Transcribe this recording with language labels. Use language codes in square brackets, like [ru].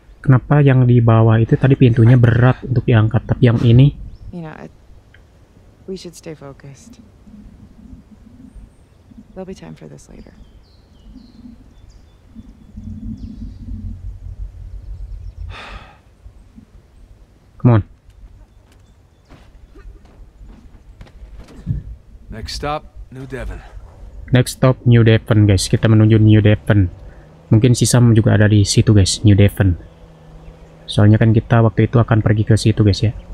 [id] kenapa yang di bawah itu tadi pintunya berat untuk diangkat, tapi yang ini? [en] You know, we should stay focused. There'll be time for this later. Come on. Next stop, New Devon. Next stop, New Devon, guys. [id] Kita menuju New Devon. Mungkin si Sam juga ada di situ, guys. New Devon. Soalnya kan kita waktu itu akan pergi ke situ, guys, ya.